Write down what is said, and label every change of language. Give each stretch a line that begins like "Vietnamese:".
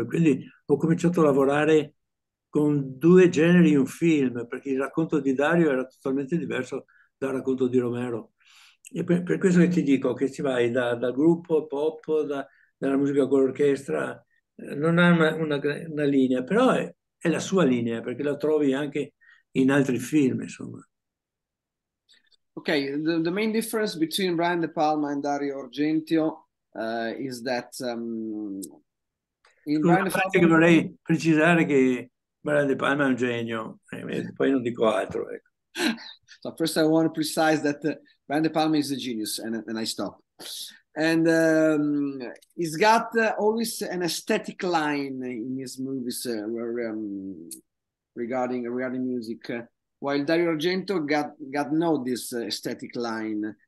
Italian: E quindi ho cominciato a lavorare con due generi in un film, perché il racconto di Dario era totalmente diverso dal racconto di Romero. E per questo che ti dico, che ci vai dal gruppo pop, dalla musica con l'orchestra, non ha una linea, però è la sua linea, perché la trovi anche in altri film, insomma.
English: Okay, the main difference between Brian De Palma and Dario Argento is that in
Italian: Scusa,
English: Brian De
Italian: parte
English: Palma.
Italian: che vorrei precisare che Brian De Palma è un genio, poi non dico altro. Ecco.
English: So first I want to precise that Brian De Palma is a genius and I stop. And he's got always an aesthetic line in his movies regarding music. While Dario Argento got no this aesthetic line.